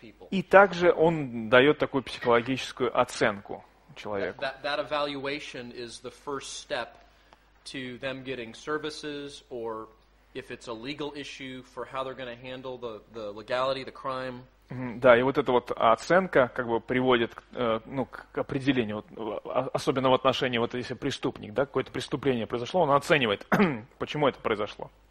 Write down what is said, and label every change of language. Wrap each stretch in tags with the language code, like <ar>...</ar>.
<ru>И также он дает такую психологическую оценку человеку.</ru> <en>That evaluation is the first step to them getting services, or if it's a legal issue, for how they're going to handle the legality, the crime.</en> <ru>Да, и вот эта вот оценка как бы приводит к определению, особенно в отношении, вот если преступник, да, какое-то преступление произошло, он оценивает, почему это произошло.</ru>